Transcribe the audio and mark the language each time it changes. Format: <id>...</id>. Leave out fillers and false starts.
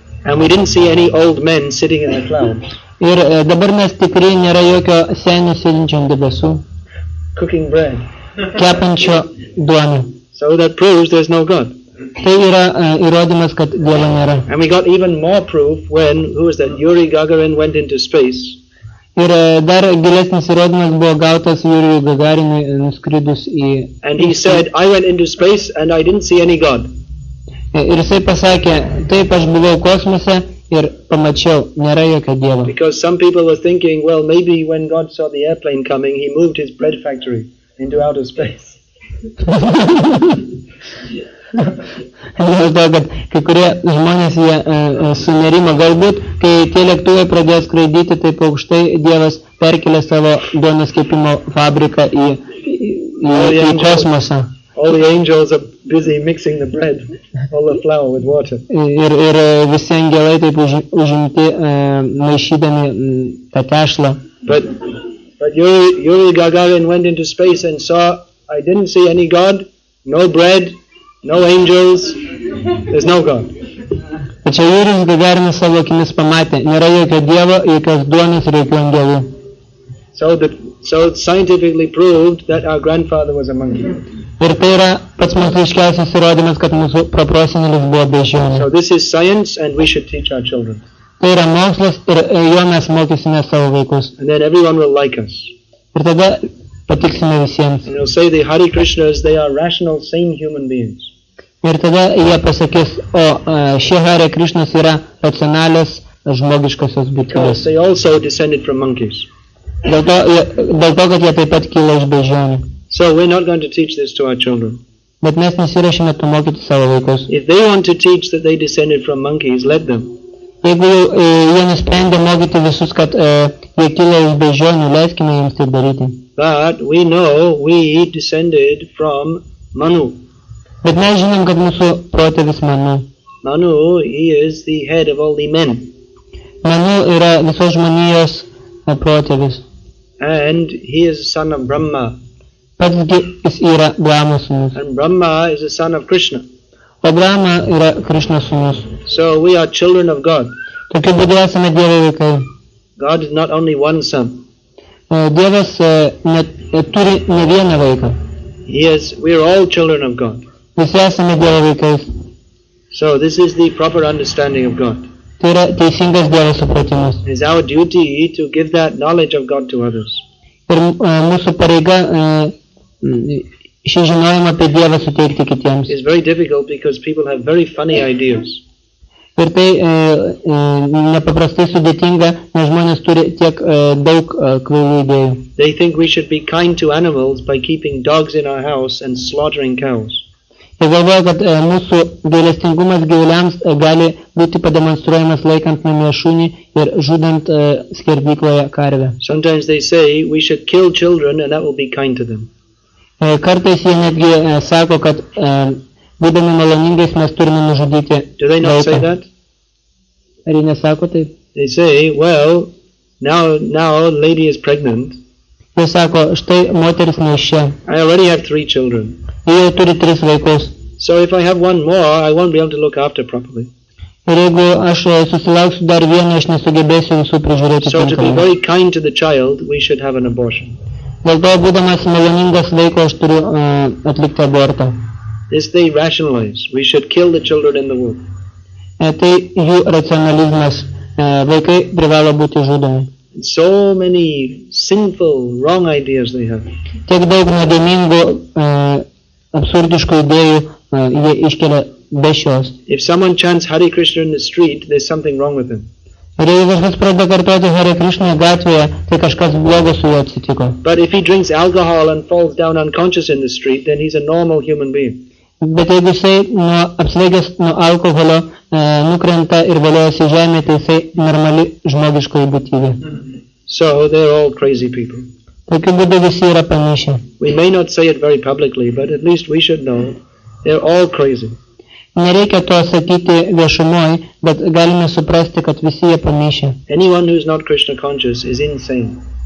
<en>And we didn't see any old men sitting in the clouds.</en> <lt>Ir dabar mes tikrai nėra jokio senio sėdinčio ant debesų.</lt> <en>Cooking bread.</en> <lt>Kepančio duoną.</lt> <en>So that proves there's no God.</en> <lt>Tai yra įrodymas, kad Dievo nėra.</lt> <en>And we got even more proof when, who was that, Yuri Gagarin went into space.</en> <lt>Ir dar gilesnis įrodymas buvo gautas Jurijui Gagarinui nuskridus į...</lt> <en>And he said, I went into space and I didn't see any God.</en> <lt>Ir jisai pasakė, taip aš buvau kosmose ir pamačiau, nėra jokio Dievo.</lt> <en>Because some people were thinking, well, maybe when God saw the airplane coming, he moved his bread factory into outer space.</en> <lt>Dėl to, kad kai kurie žmonės jie sunerimo, galbūt, kai tie lėktuvai pradėjo skraidyti, taip aukštai Dievas perkelė savo duonos kepimo fabriką į kosmosą.</lt> <en>All the angels are busy mixing the bread, all the flour with water.</en> <lt>Ir visi angelai taip užimti maišydami tą tešlą.</lt> <en>But Yuri Gagarin went into space and saw, I didn't see any God, no bread, no angels, there's no God.</en> <lt>Tačiau Jūris Gagarinas savo akimis pamatė, nėra jokio Dievo, jokios duonos ir jokių angelų.</lt> <en>So it scientifically proved that our grandfather was a monkey.</en> <lt>Ir tai yra pats moksliškiausias įrodymas, kad mūsų proprosenelis buvo beždžionė.</lt> <en>So this is science and we should teach our children.</en> <lt>Tai yra mokslas ir jo mes mokysime savo vaikus.</lt> <en>And then everyone will like us.</en> <lt>Ir tada patiksime visiems.</lt> <en>And they'll say the Hare Krishnas, they are rational, sane human beings.</en> <lt>Ir tada jie pasakys, o šie Hare Krishnas yra racionalios žmogiškosios būtybės.</lt> <en>They also descended from monkeys.</en> <lt>Dėl to, kad jie taip pat kyla iš beždžionių.</lt> <en>So we're not going to teach this to our children.</en> <lt>Bet mes nesiruošime to mokyti savo vaikus.</lt> <en>If they want to teach that they descended from monkeys, let them.</en> <lt>Jeigu jie nusprendė mokyti visus, kad jie kyla iš beždžionių, leiskime jiems taip daryti.</lt> <en>But we know we descended from Manu.</en> <lt>Bet mes žinom, kad mūsų protėvis Manu.</lt> <en>Manu, he is the head of all the men.</en> <lt>Manu yra visos žmonijos protėvis.</lt> <en>And he is a son of Brahma.</en> <lt>Pats jis yra Brahma sūnus.</lt> <en>And Brahma is a son of Krishna.</en> <lt>O Brahma yra Krishna sūnus.</lt> <en>So we are children of God.</en> <lt>Tokiu būdu esame Dievo vaikai.</lt> <en>God is not only one son.</en> <lt>Dievas turi ne vieną vaiką.</lt> <en>Yes, we are all children of God.</en> <lt>Visi esame Dievo vaikais.</lt> <en>So this is the proper understanding of God.</en> <lt>Tai yra teisingas Dievo supratimas.</lt> <en>It is our duty to give that knowledge of God to others.</en> <lt>Ir mūsų pareiga šį žinojimą apie Dievą suteikti kitiems.</lt> <en>It is very difficult because people have very funny ideas.</en> <lt>Ir tai nepaprastai sudėtinga, nes žmonės turi tiek daug kvailų idėjų.</lt> <en>They think we should be kind to animals by keeping dogs in our house and slaughtering cows.</en> <lt>Jie galvoja, kad mūsų gailestingumas gyvuliams gali būti pademonstruojamas laikant namie šunį ir žudant skerdykloje karvę.</lt> <en>Sometimes they say we should kill children and that will be kind to them.</en> <lt>Kartais jie netgi sako, kad būdami maloningais mes turime nužudyti vaiką.</lt> <en>Do they not say that?</en> <lt>Ar jie nesako taip?</lt> <en>They say, well, now lady is pregnant.</en> <lt>Jie sako, štai moteris neišė.</lt> <en>I already have three children.</en> <lt>Jie jau turi tris vaikus.</lt> <en>So if I have one more, I won't be able to look after properly.</en> <lt>Ir jeigu aš susilauksiu dar vieną, aš nesugebėsiu visų prižiūrėti tinkamai.</lt> <en>So to be very kind to the child, we should have an abortion.</en> <lt>Dėl to, būdamas maloningas vaikas, aš turiu atlikti abortą.</lt> <en>This they rationalize. We should kill the children in the womb.</en> <lt>Tai jų racionalizmas. Vaikai privalo būti žudomi.</lt> <en>So many sinful, wrong ideas they have.</en> <lt>Tiek daug nuodėmingų, absurdiškų idėjų jie iškelia be šios.</lt> <en>If someone chants Hare Krishna in the street, there's something wrong with him.</en> <lt>Ir jeigu kažkas pradeda kartuoti Hare Krishna gatvėje, tai kažkas blogo su juo atsitiko.</lt> <en>But if he drinks alcohol and falls down unconscious in the street, then he's a normal human being.</en> <lt>Bet jeigu jisai apsvaigęs nuo alkoholio nukrenta ir valiojasi žemė, tai jisai normali žmogiškoji būtybė.</lt> <en>So they're all crazy people.</en> <lt>Tokiu būdu visi yra panašiai.</lt> <en>We may not say it very publicly, but at least we should know they're all crazy.</en> <lt>Nereikia to sakyti viešumoj, bet galime suprasti, kad visi jie pamišę.</lt> <en>Anyone who is not Krishna conscious is insane.</en>